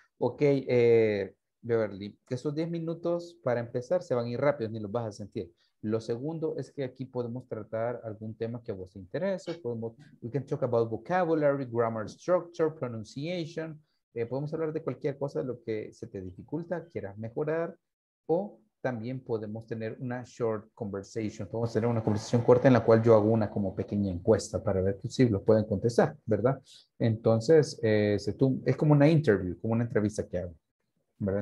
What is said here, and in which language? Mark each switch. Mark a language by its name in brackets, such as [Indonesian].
[Spanish] Ok, Beverly, esos 10 minutos para empezar se van a ir rápido, ni los vas a sentir. Lo segundo es que aquí podemos tratar algún tema que a vos te interese. [English] We can talk about vocabulary, grammar structure, pronunciation. [Spanish] Podemos hablar de cualquier cosa de lo que se te dificulta, quieras mejorar, o también podemos tener una [English] short conversation. [Spanish] Podemos tener una conversación corta en la cual yo hago una como pequeña encuesta para ver si lo pueden contestar, ¿verdad? Entonces, es como una [English] interview, [Spanish] como una entrevista que hago, ¿verdad?